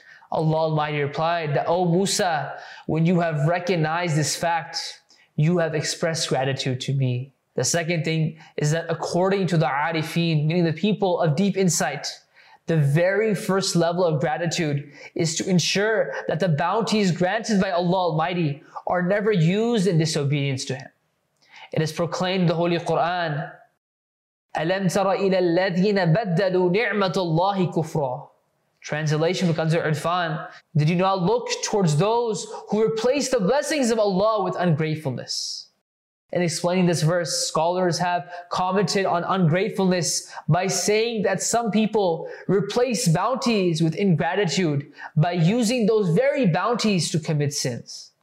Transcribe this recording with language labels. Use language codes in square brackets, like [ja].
[en] Allah Almighty replied that, oh Musa, when you have recognized this fact, you have expressed gratitude to me. The second thing is that according to the Arifin, meaning the people of deep insight, the very first level of gratitude is to ensure that the bounties granted by Allah Almighty are never used in disobedience to Him. It is proclaimed in the Holy Quran, [ar] أَلَمْ تَرَ إِلَى الَّذِينَ بَدَّلُوا نِعْمَةُ اللَّهِ كُفْرًا. [en] Translation becomes Irfan, did you not look towards those who replace the blessings of Allah with ungratefulness? In explaining this verse, scholars have commented on ungratefulness by saying that some people replace bounties with ingratitude by using those very bounties to commit sins.